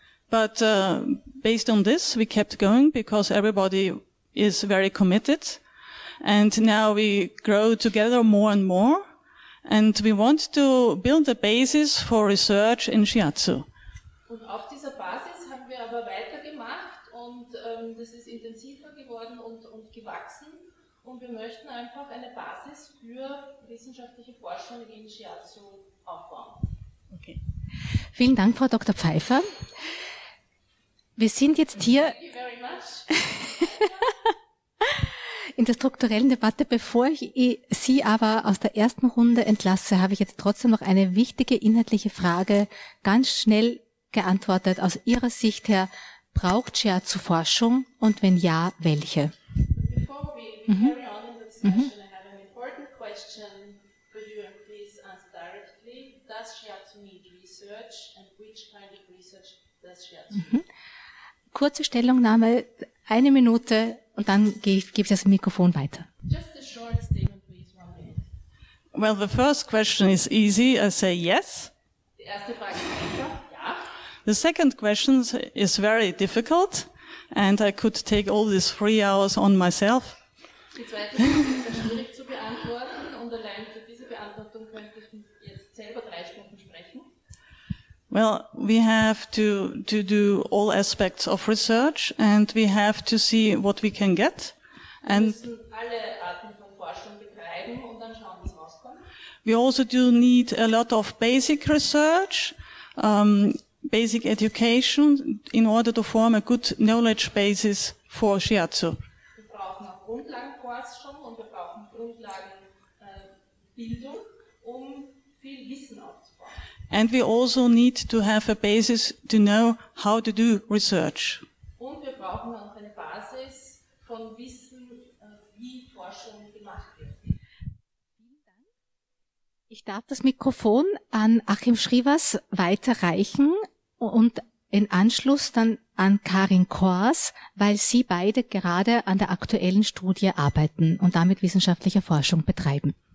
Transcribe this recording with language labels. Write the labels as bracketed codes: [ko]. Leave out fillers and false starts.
[en] But based on this, we kept going because everybody is very committed. And now we grow together more and more. And we want to build a basis for research in Shiatsu. [de] Und auf dieser Basis haben wir aber weitergemacht und das ist intensiver geworden und gewachsen. Und wir möchten einfach eine Basis für wissenschaftliche Forschung in Shiatsu aufbauen. Okay. Vielen Dank, Frau Dr. Pfeiffer. Wir sind jetzt hier in der strukturellen Debatte. Bevor ich Sie aber aus der ersten Runde entlasse, habe ich jetzt trotzdem noch eine wichtige inhaltliche Frage ganz schnell geantwortet. Aus Ihrer Sicht her, braucht Shiatsu Forschung und wenn ja, welche? Bevor wir [en] carry on in the session, I have an important question. Could you please answer directly? Does Shiatsu need research and which kind of research does Shiatsu need? [de] Kurze Stellungnahme, eine Minute, und dann gebe ich das Mikrofon weiter. [en] Just a short statement, please, 1 minute. Well, the first question is easy. I say yes. [de] Die erste Frage ist einfach, ja. [en] The second question is very difficult, and I could take all these 3 hours on myself. [de] Die zweite Frage ist sehr schwierig zu beantworten, und allein für diese Beantwortung könnte ich jetzt selber 3 Stunden sprechen. [en] Well, we have to do all aspects of research, and we have to see what we can get. And [de] wir müssen alle Arten von Forschung betreiben und dann schauen, was rauskommt. [en] We also do need a lot of basic research, basic education, in order to form a good knowledge basis for Shiatsu. [de] Wir brauchen auch Grundlagenforschung und wir brauchen Grundlagenbildung, um viel Wissen aufzubauen. [en] And we also need to have a basis to know how to do research. [de] Und wir brauchen auch eine Basis von Wissen, wie Forschung gemacht wird. Vielen Dank. Ich darf das Mikrofon an Achim Schrivers weiterreichen und in Anschluss dann an Karin Kors, weil Sie beide gerade an der aktuellen Studie arbeiten und damit wissenschaftliche Forschung betreiben.